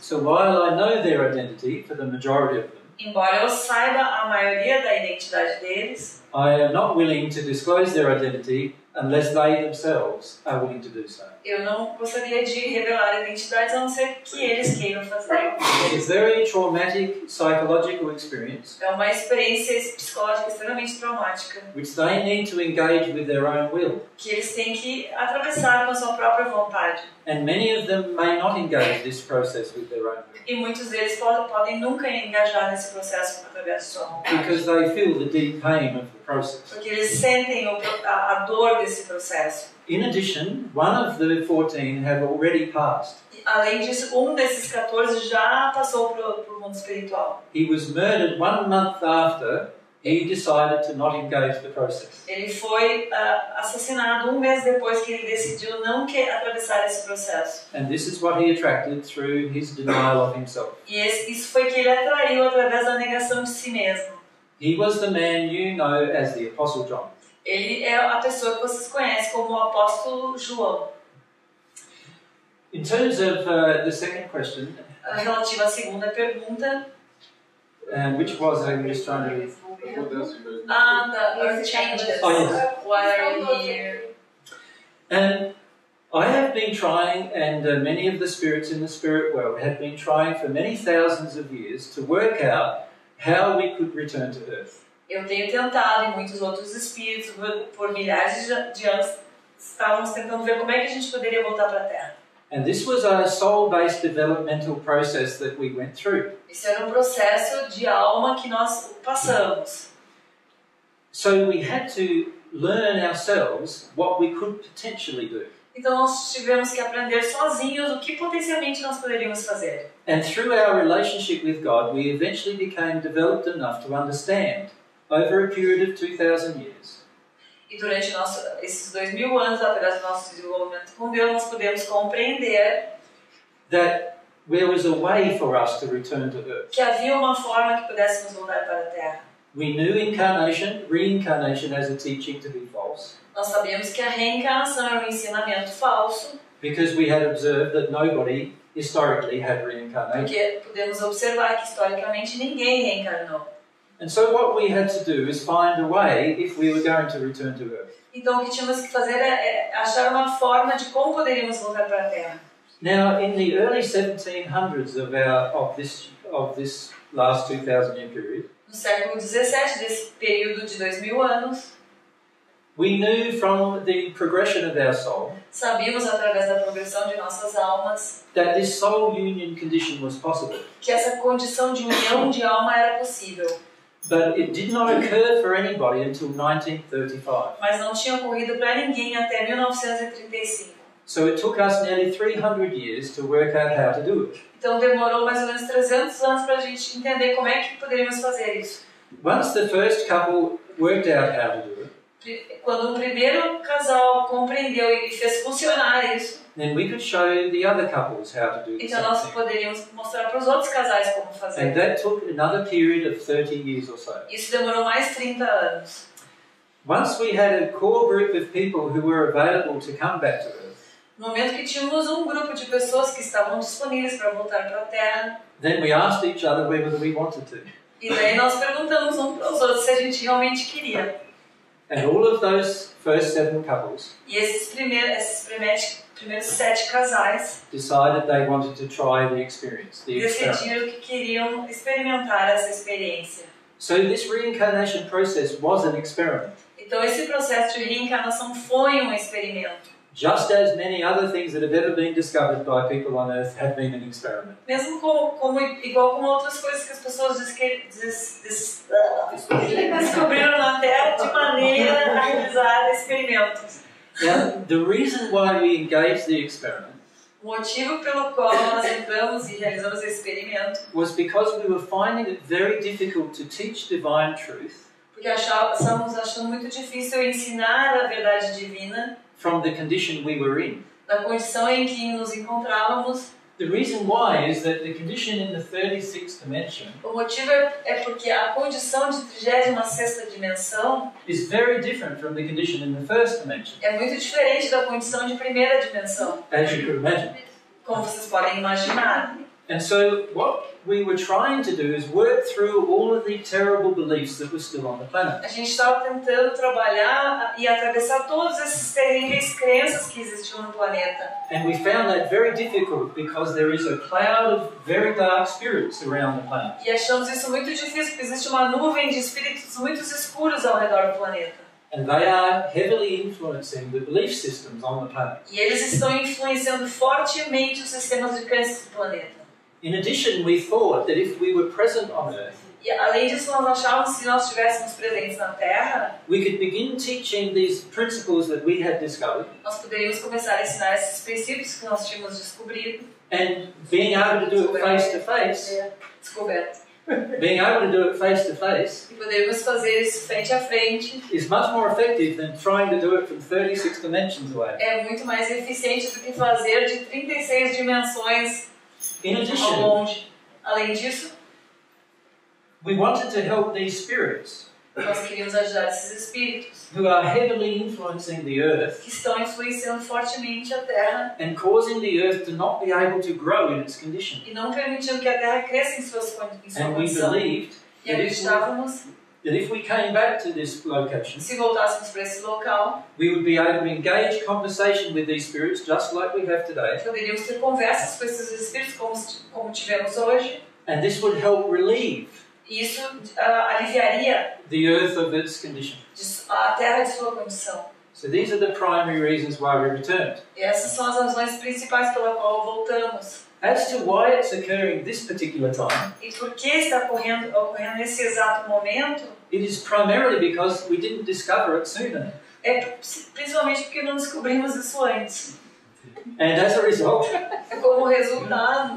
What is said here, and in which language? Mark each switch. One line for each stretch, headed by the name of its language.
English: So while I know their identity for the majority of them,
Portuguese: embora eu saiba a maioria da identidade deles,
English: I am not willing to disclose their identity unless they themselves are willing to do so.
Portuguese: Eu não gostaria de revelar a identidade a não ser que eles queiram fazer.
English: It's a very traumatic psychological experience.
Portuguese: É uma experiência psicológica extremamente traumática.
English: Which they need to engage with their own will.
Portuguese: Que eles têm que atravessar com a sua própria vontade.
English: And many of them may not engage this process with their own will.
Portuguese: E muitos deles podem nunca engajar nesse processo através da sua vontade.
English: Because they feel the deep pain of the process.
Portuguese: Porque eles sentem a dor desse processo.
English: In addition, one of the 14 have already passed.
Portuguese: Além disso, desses 14 já passou pro mundo espiritual.
English: He was murdered 1 month after he decided to not engage the process.
Portuguese: Ele foi assassinado 1 mês depois que ele decidiu não quer atravessar esse processo.
English: And this is what he attracted through his denial of himself.
Portuguese: E isso foi que ele atraiu através da negação de si mesmo.
English: He was the man you know as the Apostle John.
Portuguese: Ele é a pessoa que vocês conhecem como o apóstolo João.
English: In terms of the second question,
Portuguese: relativo à segunda pergunta,
English: which was I'm just trying to the earth changes. Oh, yes. Why are you here? And I have been trying, and many of the spirits in the spirit world have been trying for many thousands of years to work out how we could return to Earth.
Portuguese: Eu tenho tentado, e muitos outros espíritos, por milhares de anos, estávamos tentando ver como é que a gente poderia voltar para a Terra.
English: And this was a soul-based developmental process that we went through.
Portuguese: Isso era processo de alma que nós passamos.
English: So we had to learn ourselves what we could potentially do.
Portuguese: Então nós tivemos que aprender sozinhos o que potencialmente nós poderíamos fazer.
English: And through our relationship with God, we eventually became developed enough to understand over a period of 2,000 years.
Portuguese: E durante esses 2,000 anos, através do nosso desenvolvimento com Deus, nós podemos compreender
English: that there was a way for us to return to Earth.
Portuguese: Que havia uma forma que pudéssemos voltar para a Terra.
English: We knew incarnation, reincarnation as a teaching to be false.
Portuguese: Nós sabíamos que a reencarnação era um ensinamento falso.
English: Because we had observed that nobody historically had reincarnated.
Portuguese: Porque podemos observar que historicamente ninguém reencarnou.
English: And so what we had to do is find a way if we were going to return to Earth.
Portuguese: Então o que tínhamos que fazer era achar uma forma de como poderíamos voltar para a Terra.
English: Now in the early 1700s of this last 2000 year period.
Portuguese: No século 17 desse período de 2000 anos.
English: We knew from the progression of our soul.
Portuguese: Sabíamos através da progressão de nossas almas
English: that this soul union condition was possible.
Portuguese: Que essa condição de união de alma era possível.
English: But it did not occur for anybody until 1935.
Portuguese: Mas não tinha ocorrido para ninguém até 1935.
English: So it took us nearly 300 years to work out how to do it.
Portuguese: Então demorou mais ou menos 300 anos para a gente entender como é que poderíamos fazer isso.
English: Once the first couple worked out how to do it.
Portuguese: Quando o primeiro casal compreendeu e fez funcionar isso.
English: Then we could show the other couples how to do it.
Portuguese: Então nós poderíamos mostrar para os outros casais como fazer.
English: And that took another period of 30 years or so.
Portuguese: Isso demorou mais 30 anos.
English: Once we had a core group of people who were available to come back to Earth.
Portuguese: No momento que tínhamos grupo de pessoas que estavam disponíveis para voltar para a Terra.
English: Then we asked each other whether we wanted to.
Portuguese: E daí nós perguntamos para os outros se a gente realmente queria.
English: And all of those first seven couples.
Portuguese: E esses primeiros sete casais.
English: Decided they wanted to try the experience.
Portuguese: Decidiram que queriam experimentar essa experiência.
English: So this reincarnation process was an experiment.
Portuguese: Então esse processo de reencarnação foi experimento.
English: Just as many other things that have ever been discovered by people on Earth have been an experiment.
Portuguese: Mesmo como igual como outras coisas que as pessoas descobriram na Terra de maneira realizada experimentos.
English: Now, the reason why we engaged the experiment.
Portuguese: O motivo pelo qual nós entramos e realizamos o experimento.
English: Was because we were finding it very difficult to teach divine truth.
Portuguese: Porque estávamos achando muito difícil ensinar a verdade divina.
English: From the condition we were in.
Portuguese: Da condição em que nos encontrávamos.
English: The reason why is that the condition in the 36th dimension.
Portuguese: O motivo é porque a condição de 36ª dimensão.
English: Is very different from the condition in the first dimension.
Portuguese: É muito diferente da condição de primeira dimensão.
English: As you could imagine.
Portuguese: Como vocês podem imaginar.
English: And so what we were trying to do is work through all of the terrible beliefs that were still on the planet.
Portuguese: A gente estava tentando trabalhar e atravessar todas essas terríveis crenças que existiam no planeta.
English: And we found that very difficult because there is a cloud of very dark spirits around the planet.
Portuguese: E achamos isso muito difícil porque existe uma nuvem de espíritos muito escuros ao redor do planeta.
English: And they are heavily influencing the belief systems on the planet.
Portuguese: E eles estão influenciando fortemente os sistemas de crenças do planeta.
English: In addition, we thought that if we were present on Earth,
Portuguese: yeah, além disso, nós achávamos que se nós estivéssemos presentes na Terra,
English: we could begin teaching these principles that we had discovered.
Portuguese: Nós poderíamos começar a ensinar esses princípios que nós tínhamos descobrido.
English: And being able to do it face to face. Being able to do it face to face.
Portuguese: E poderíamos fazer isso frente a frente.
English: Is much more effective than trying to do it from 36 dimensions away.
Portuguese: É muito mais eficiente do que fazer de 36 dimensões.
English: In addition,
Portuguese: além disso,
English: we wanted to help these spirits
Portuguese: nós queríamos ajudar esses espíritos
English: who are heavily influencing the earth
Portuguese: que estão influenciando fortemente a Terra
English: and causing the earth to not be able to grow in its condition.
Portuguese: E não permitindo que a Terra cresça em suas condições.
English: And we believed that if we came back to this location,
Portuguese: se voltássemos para esse local,
English: we would be able to engage conversation with these spirits just like we have today.
Portuguese: Poderíamos ter conversas com esses espíritos como tivemos hoje.
English: And this would help relieve
Portuguese: isso, aliviaria
English: the earth of its condition.
Portuguese: A Terra de sua condição.
English: So these are the primary reasons why we returned.
Portuguese: E essas são as razões principais pela qual voltamos.
English: As to why it's occurring this particular time,
Portuguese: e por que está ocorrendo nesse exato momento,
English: it is primarily because we didn't discover it sooner.
Portuguese: É principalmente porque não descobrimos isso antes.
English: And as a result,
Portuguese: como resultado,